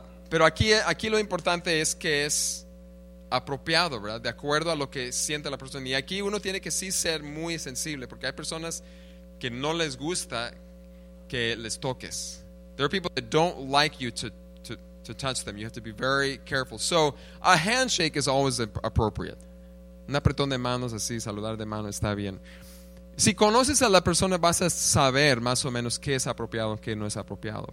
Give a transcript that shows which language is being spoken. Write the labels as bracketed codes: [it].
[es] Pero aquí lo importante es que es apropiado, ¿verdad? De acuerdo a lo que siente la persona. Y aquí uno tiene que sí ser muy sensible, porque hay personas que no les gusta que les toques. [en] There are people that don't like you to touch them. You have to be very careful. So, a handshake is always appropriate. [es] Un apretón de manos así, saludar de mano, está bien. Si conoces a la persona, vas a saber más o menos qué es apropiado, qué no es apropiado.